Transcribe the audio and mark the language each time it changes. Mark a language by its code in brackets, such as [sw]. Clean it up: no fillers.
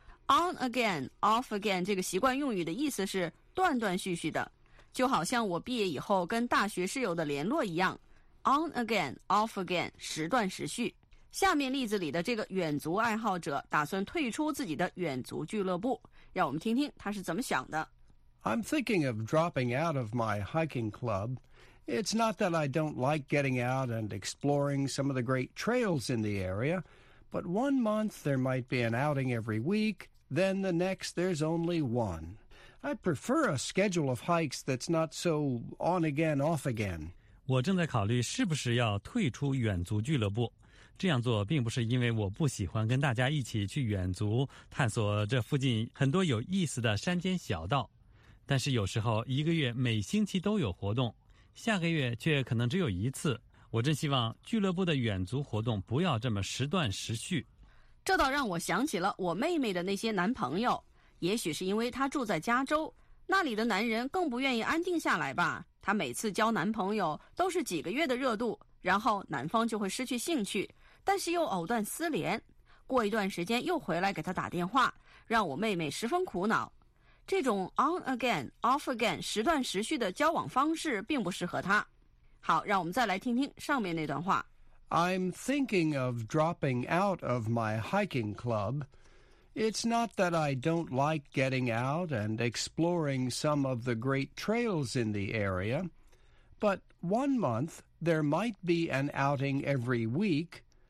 [en] On again, off again [zh] 这个习惯用语的意思是断断续续的，就好像我毕业以后跟大学室友的联络一样。 [en] On again, off again, [zh] 时断时续。下面例子里的这个远足爱好者打算退出自己的远足俱乐部，让我们听听他是怎么想的。 [en] I'm thinking of dropping out of my hiking club. It's not that I don't like getting out and exploring some of the great trails in the area. But 1 month, there might be an outing every week. Then the next, there's only one. I prefer a schedule of hikes that's not so on again, off again. [zh] 我正在考虑是不是要退出远足俱乐部。这样做并不是因为我不喜欢跟大家一起去远足，探索这附近很多有意思的山间小道。但是有时候一个月每星期都有活动，下个月却可能只有一次。我真希望俱乐部的远足活动不要这么时断时续。这倒让我想起了我妹妹的那些男朋友，也许是因为她住在加州，那里的男人更不愿意安定下来吧。她每次交男朋友都是几个月的热度，然后男方就会失去兴趣，但是又藕断丝连，过一段时间又回来给她打电话，让我妹妹十分苦恼。这种 [en] on again, off again, [zh] 时断时续的交往方式并不适合她。好，让我们再来听听上面那段话。 [en] I'm thinking of dropping out of my hiking club. It's not that I don't like getting out and exploring some of the great trails in the area, But 1 month, there might be an outing every week.